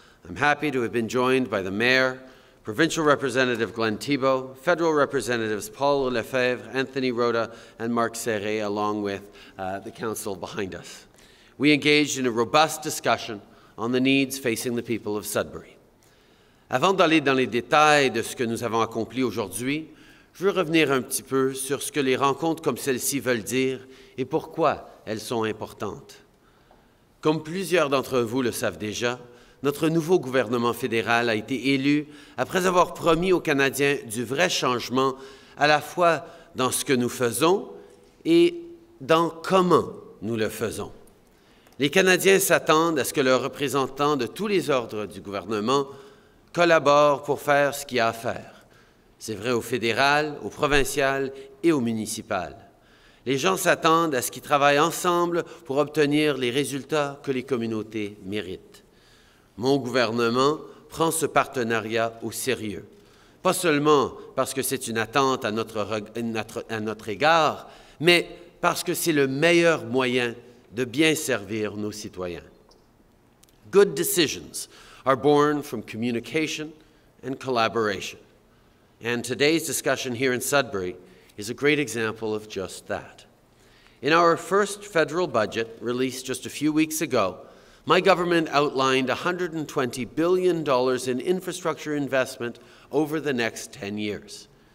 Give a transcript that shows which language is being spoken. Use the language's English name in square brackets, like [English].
[English] I'm happy to have been joined by the Mayor, Provincial Representative Glenn Thibault, Federal Representatives Paul Lefebvre, Anthony Rota, and Marc Serré, along with the Council behind us. We engaged in a robust discussion on the needs facing the people of Sudbury. [French] Avant d'aller dans les détails de ce que nous avons accompli aujourd'hui, je veux revenir un petit peu sur ce que les rencontres comme celles-ci veulent dire et pourquoi elles sont importantes. Comme plusieurs d'entre vous le savent déjà, notre nouveau gouvernement fédéral a été élu après avoir promis aux Canadiens du vrai changement à la fois dans ce que nous faisons et dans comment nous le faisons. Les Canadiens s'attendent à ce que leurs représentants de tous les ordres du gouvernement collaborent pour faire ce qu'il y a à faire. C'est vrai au fédéral, au provincial et au municipal. Les gens s'attendent à ce qu'ils travaillent ensemble pour obtenir les résultats que les communautés méritent. Mon gouvernement prend ce partenariat au sérieux, pas seulement parce que c'est une attente à notre égard, mais parce que c'est le meilleur moyen de bien servir nos citoyens. [English] Good decisions are born from communication and collaboration. And today's discussion here in Sudbury is a great example of just that. In our first federal budget, released just a few weeks ago, my government outlined $120 billion in infrastructure investment over the next 10 years.